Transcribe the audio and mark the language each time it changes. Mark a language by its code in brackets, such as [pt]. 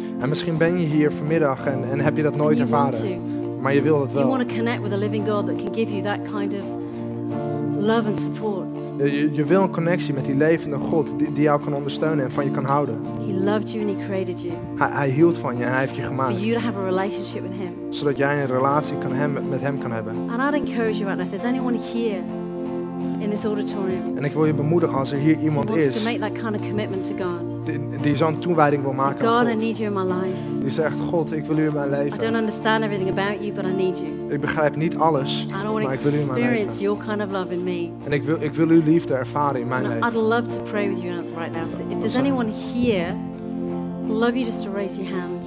[nl] En misschien ben je hier vanmiddag en heb je dat nooit ervaren. Maar je wil het wel. [en] You want to connect with a living God that can give you that kind of love and support. [nl] Je wil een connectie met die levende God die jou kan ondersteunen en van je kan houden. [en] He loved you and he created you. [nl] Hij hield van je en hij heeft je gemaakt. [en] For you to have a relationship with him. [nl] Zodat jij een relatie met hem kan hebben. [en] And I'd encourage you right now, if there's anyone here in this auditorium. [nl] En ik wil je bemoedigen als er hier iemand [en] wants [nl] is. [en] To make that kind of commitment to God. [nl] die zo'n toewijding wil maken. [en] God, I need you in my life. [nl] Die zegt, God, ik wil u in mijn leven. [en] I don't understand everything about you, but I need you. [nl] Ik begrijp niet alles, maar ik wil u in mijn leven. [en] I want to experience your kind of love in me. [nl] En ik wil uw liefde ervaren in mijn leven. [en] I'd love to pray with you right now. So if there's anyone here, I'd love you just to raise your hand.